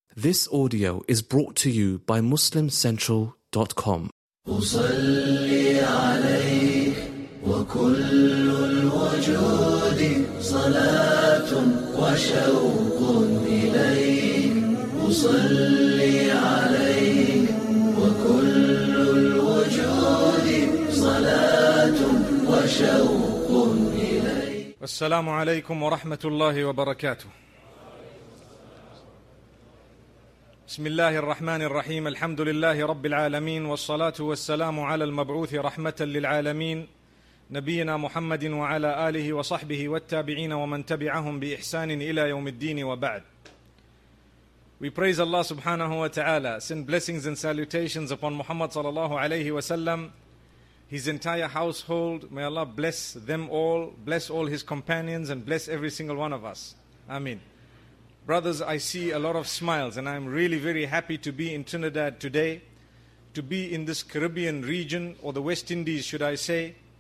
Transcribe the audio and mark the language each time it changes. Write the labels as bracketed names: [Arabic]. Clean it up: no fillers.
[English] This audio is brought to you by MuslimCentral.com. [Arabic] أصلي عليك وكل الوجود صلاة وشوق إليك أصلي عليك وكل الوجود صلاة وشوق إليك السلام عليكم ورحمة الله وبركاته بسم الله الرحمن الرحيم الحمد لله رب العالمين والصلاة والسلام على المبعوث رحمة للعالمين نبينا محمد وعلى آله وصحبه والتابعين ومن تبعهم بإحسان إلى يوم الدين وبعد. [English] We praise Allah subhanahu wa ta'ala, send blessings and salutations upon Muhammad sallallahu alayhi wa sallam, his entire household. May Allah bless them all, bless all his companions, and bless every single one of us. Amen. Brothers, I see a lot of smiles, and I'm really very happy to be in Trinidad today, to be in this Caribbean region, or the West Indies, should I say.